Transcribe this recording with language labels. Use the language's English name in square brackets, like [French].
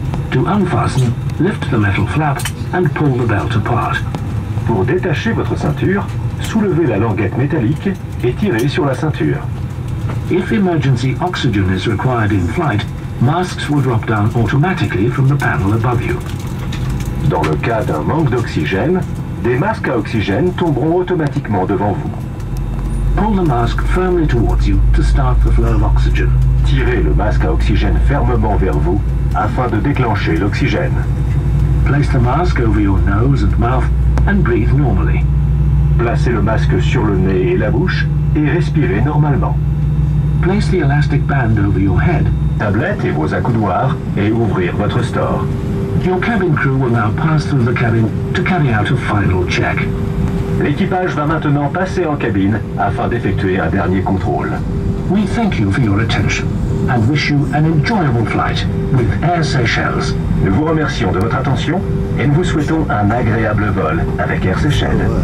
[English] To unfasten, lift the metal flap and pull the belt apart. [French] Pour détacher votre ceinture, soulevez la languette métallique et tirez sur la ceinture. [English] If emergency oxygen is required in flight, masks will drop down automatically from the panel above you. [French] Dans le cas d'un manque d'oxygène, des masques à oxygène tomberont automatiquement devant vous. [English] Pull the mask firmly towards you to start the flow of oxygen. [French] Tirez le masque à oxygène fermement vers vous afin de déclencher l'oxygène. [English] Place the mask over your nose and mouth and breathe normally. [French] Placez le masque sur le nez et la bouche et respirez normalement. [English] Place the elastic band over your head, [French] tablette et vos accoudoirs et ouvrir votre store. [English] Your cabin crew will now pass through the cabin to carry out a final check. [French] L'équipage va maintenant passer en cabine afin d'effectuer un dernier contrôle. [English] We thank you for your attention and wish you an enjoyable flight with Air Seychelles. [French] Nous vous remercions de votre attention et nous vous souhaitons un agréable vol avec Air Seychelles.